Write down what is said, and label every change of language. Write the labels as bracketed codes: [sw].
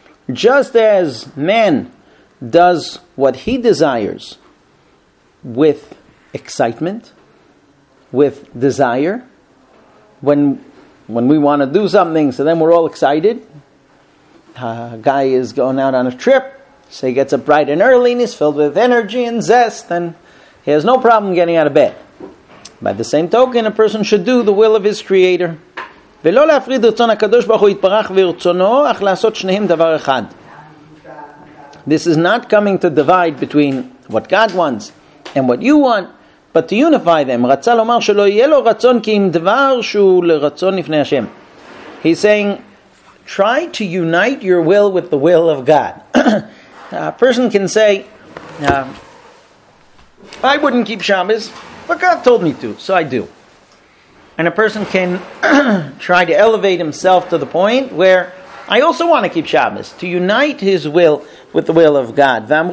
[en] Just as man does what he desires with excitement, with desire, when we want to do something, so then we're all excited. A guy is going out on a trip, so he gets up bright and early, and he's filled with energy and zest, and he has no problem getting out of bed. By the same token, a person should do the will of his Creator. [he] ולא להפריד רצון הקדוש ברוך הוא יתברך ורצונו, אך לעשות שניהם דבר אחד. [en] This is not coming to divide between what God wants and what you want, but to unify them. [he] רצה לומר שלא יהיה לו רצון כי אם דבר שהוא לרצון לפני השם. [en] He's saying, try to unite your will with the will of God. A person can say, I wouldn't keep Shabbos, but God told me to, so I do. And a person can try to elevate himself to the point where I also want to keep Shabbos, to unite his will with the will of God.